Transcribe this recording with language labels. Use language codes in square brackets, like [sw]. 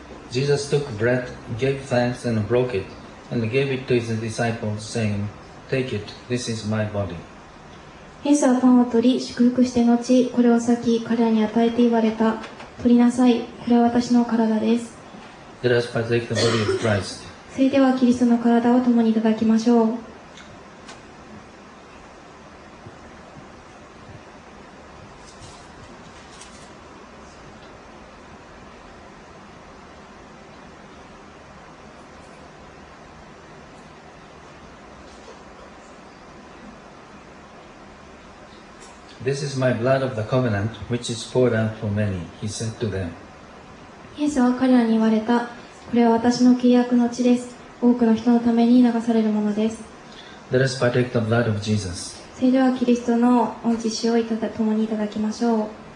[en] Jesus took bread, gave thanks, and broke it, and gave it to his disciples, saying, Take it, this is my body. [ja] イエスはパンを取り、祝福して後、これを先、彼らに与えて言われた。取りなさい、これは私の体です。 [en] Let us partake the body of Christ. [ja] それでは、キリストの体を共にいただきましょう。 [en] This is my blood of the covenant, which is poured out for many, he said to them. [ja] イエスは彼らに言われた。これは私の契約の血です。多くの人のために流されるものです。 [en] Let us partake the blood of Jesus. [ja] それではキリストの御血を共にいただきましょう。